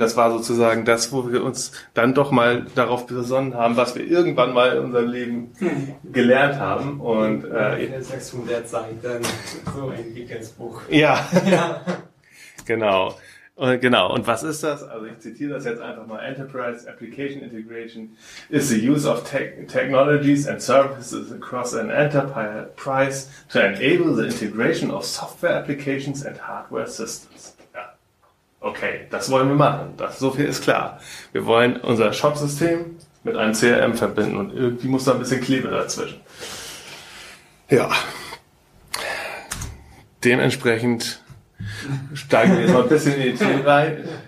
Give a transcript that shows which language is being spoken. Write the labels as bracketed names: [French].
[German] Das war sozusagen das, wo wir uns dann doch mal darauf besonnen haben, was wir irgendwann mal in unserem Leben gelernt haben. Und in der 6 von der Zeit dann so ein dickes Buch. Ja, genau. Und was ist das? Also ich zitiere das jetzt einfach mal. [English] Enterprise Application Integration is the use of technologies and services across an enterprise to enable the integration of software applications and hardware systems. [German] Ja. Okay, das wollen wir machen. Das, so viel ist klar. Wir wollen unser Shop-System mit einem CRM verbinden und irgendwie muss da ein bisschen Klebe dazwischen. Ja. Dementsprechend steigen wir jetzt mal ein bisschen in die Themen rein.